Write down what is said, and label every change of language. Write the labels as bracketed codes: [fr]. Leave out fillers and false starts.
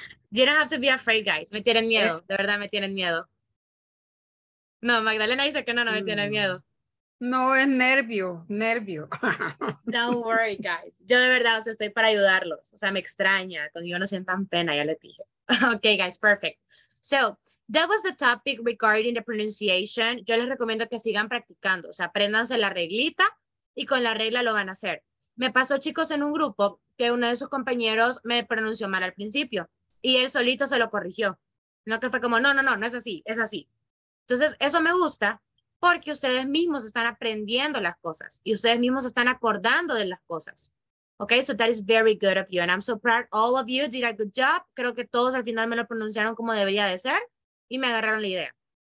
[en] You don't have to be afraid, guys. [es] Me tienen miedo. De verdad, me tienen miedo. No, Magdalena dice que no me tienen miedo. No, es nervio. [en] Don't worry, guys. [es] Yo de verdad, o sea, estoy para ayudarlos. O sea, me extraña. Conmigo no sientan pena, ya les dije. [en] Okay, guys, perfect. So, that was the topic regarding the pronunciation. [es] Yo les recomiendo que sigan practicando. O sea, apréndanse la reglita y con la regla lo van a hacer. Me pasó, chicos, en un grupo que uno de sus compañeros me pronunció mal al principio y él solito se lo corrigió. No que fue como, no es así, es así. Entonces, eso me gusta porque ustedes mismos están aprendiendo las cosas y ustedes mismos están acordando de las cosas. [en] Okay, so that is very good of you and I'm so proud all of you did a good job. [es] Creo que todos al final me lo pronunciaron como debería de ser y me agarraron la idea.